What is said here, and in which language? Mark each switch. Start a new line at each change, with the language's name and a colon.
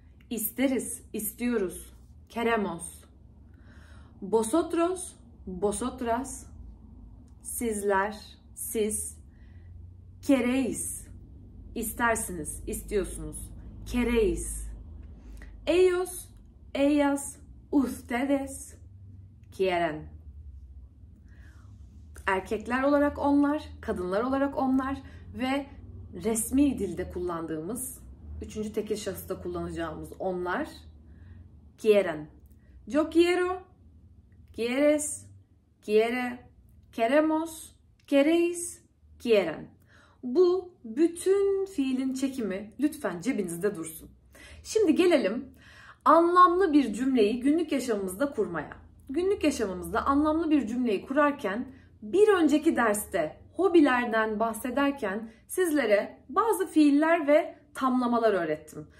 Turkish: İsteriz, istiyoruz.
Spanish: Queremos. Vosotros, vosotras,
Turkish: sizler, siz
Spanish: queréis.
Turkish: İstersiniz, istiyorsunuz.
Spanish: Queréis. Ellos, ellas, ustedes quieren.
Turkish: Erkekler olarak onlar, kadınlar olarak onlar ve resmi dilde kullandığımız, üçüncü tekil şahısta kullanacağımız onlar quieren.
Spanish: Yo quiero, quieres, quiere, queremos, queréis, quieren.
Turkish: Bu bütün fiilin çekimi lütfen cebinizde dursun. Şimdi gelelim anlamlı bir cümleyi günlük yaşamımızda kurmaya. Günlük yaşamımızda anlamlı bir cümleyi kurarken bir önceki derste hobilerden bahsederken sizlere bazı fiiller ve tamlamalar öğrettim.